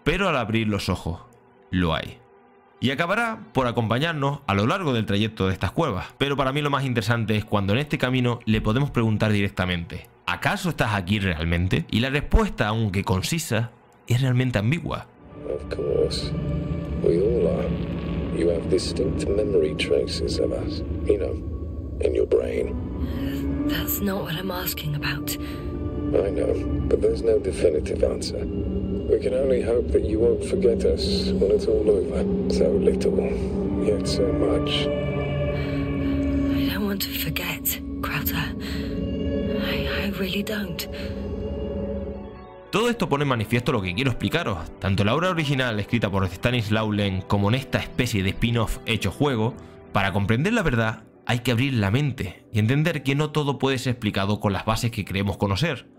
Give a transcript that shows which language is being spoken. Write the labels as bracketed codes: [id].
[es] Pero al abrir los ojos, lo hay. Y acabará por acompañarnos a lo largo del trayecto de estas cuevas. Pero para mí lo más interesante es cuando en este camino le podemos preguntar directamente: ¿acaso estás aquí realmente? Y la respuesta, aunque concisa, es realmente ambigua. [en] Of course, we all are. You have distinct memory traces of us, you know, in your brain. That's not what I'm asking about. I know, but there's no definitive answer. We can only hope that you won't forget us when it's all over. So little, yet so much. I don't want to forget, Krauta. I really don't. [es] Todo esto pone en manifiesto lo que quiero explicaros. Tanto la obra original escrita por Stanislaw Lem como en esta especie de spin-off hecho juego, para comprender la verdad hay que abrir la mente y entender que no todo puede ser explicado con las bases que creemos conocer.